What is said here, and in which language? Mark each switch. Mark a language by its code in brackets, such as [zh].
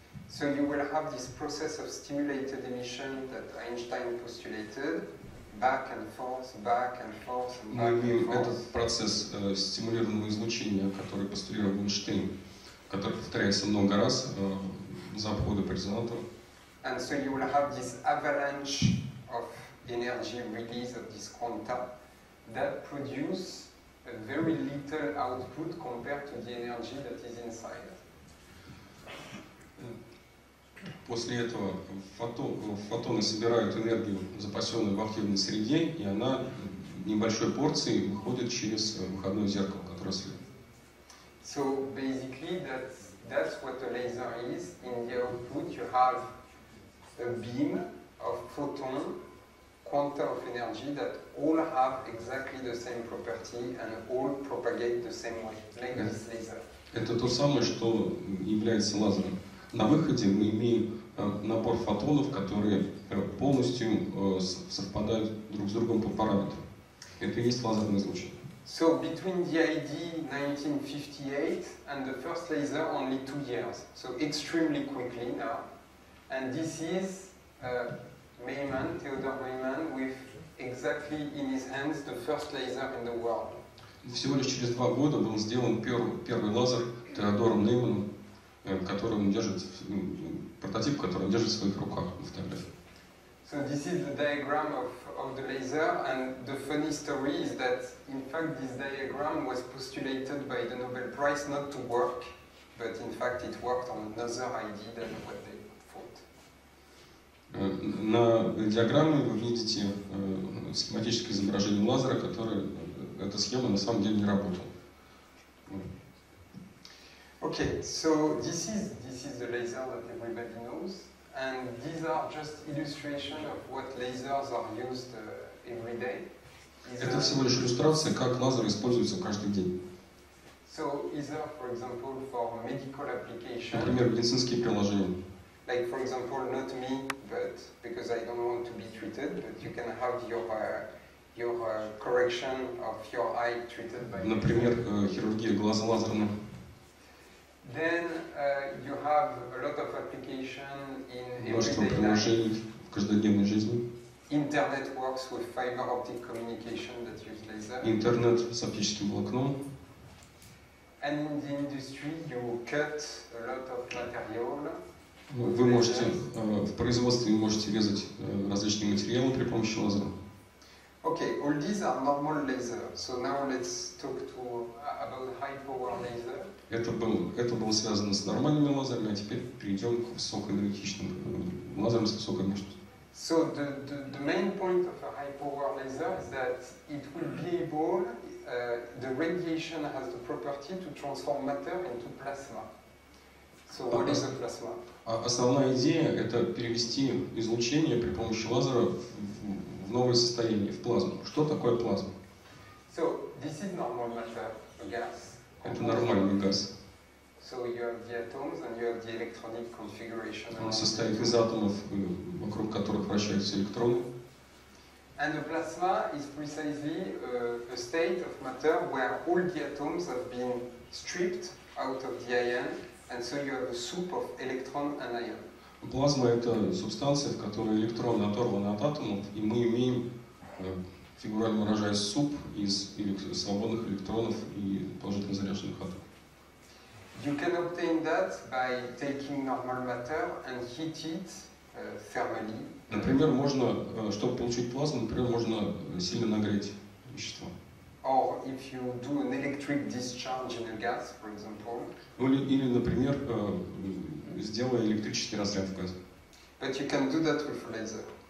[en] So you will have this process of stimulated emission that Einstein postulated, back and forth, back and forth, and back and forth. [ru] Мы имеем этот процесс стимулированного излучения, который постулировал Эйнштейн, который повторяется много раз за обходы по резонатору. [en] And so you will have this avalanche of energy release of this quanta that produce a very little output compared to the energy that is inside. [ru] После этого фотоны собирают энергию, запасенную в активной среде, и она небольшой порцией выходит через выходное зеркало, которое следует. [en] So basically that's what a laser is. In the output you have a beam of photon, quanta of energy that all have exactly the same property and all propagate the same way, like this laser. [ru] Это то самое, что является лазером. На выходе мы имеем набор фотонов, которые полностью совпадают друг с другом по параметрам. Это и есть лазерное излучение. [en] So between the ID 1958 and the first laser only 2 years. So extremely quickly now. And this is Meyman, Theodor Meyman, with exactly in his hands the first laser in the world. [ru] Всего лишь через 2 года был сделан первый лазер Теодором Нейманом, который он держит, прототип, который он держит в своих руках на фотографии. [en] So this is the diagram of the laser, and the funny story is that in fact this diagram was postulated by the Nobel Prize not to work, but in fact it worked on another idea than what they thought. [ru] На диаграмме вы видите схематическое изображение лазера, которое эта схема на самом деле не работала. [en] Okay, so this is the laser that everybody knows, And these are just illustration of what lasers are used every day. [ru] Это всего лишь иллюстрация, как лазеры используются каждый день. [en] So is there, for example, for medical application? [ru] Например, медицинские приложения. [en] Like, for example, not me, but because I don't want to be treated, but you can have your correction of your eye treated by. [ru] Например, хирургия глаза лазерная. [en] Then you have a lot of application in everyday life. Internet works with fiber optic communication that use laser. [ru] Интернет с оптическим волокном. [en] And in the industry you cut a lot of material. [ru] Вы можете в производстве вы можете резать различные материалы при помощи лазера. [en] Okay, all these are normal lasers. So now let's talk about high power laser. [ru] Это было связано с нормальными лазерами, а теперь перейдем к высокоэнергетичным лазерам с высокой мощностью. [en] So the main point of a high power laser is that it will be able the radiation has the property to transform matter into plasma. So what is a plasma? [ru] Основная идея это перевести излучение при помощи лазера в новое состояние, в плазму. Что такое плазма? [en] So this is normal matter, a gas. [ru] Это нормальный газ. [en] So you have the atoms and you have the electronic configuration. [ru] Он состоит из атомов, вокруг которых вращаются электроны. [en] And the plasma is precisely a state of matter where all the atoms have been stripped out of the ion, and so you have a soup of electron and ion. [ru] Плазма это субстанция, в которой электроны оторваны от атомов, и мы имеем фигурально выражая суп из свободных электронов и положительно заряженных атомов. [en] You can obtain that by taking normal matter and heat it thermally. [ru] Например, можно, чтобы получить плазму, например, можно сильно нагреть вещество. [en] Or if you do an electric discharge in a gas, for example. [ru] Или например, сделая электрический разряд в газе. [en] But you can do that with laser.